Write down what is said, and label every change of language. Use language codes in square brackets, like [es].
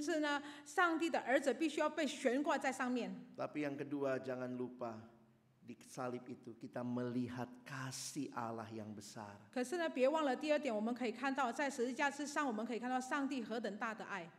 [zh] 第一点当然是我们看到罪何等的恐怖，甚至呢，上帝的儿子必须要被悬挂在上面。 [id] Tapi yang kedua jangan lupa di salib itu kita melihat kasih Allah yang besar. [zh] 可是呢，别忘了第二点，我们可以看到在十字架之上，我们可以看到上帝何等大的爱。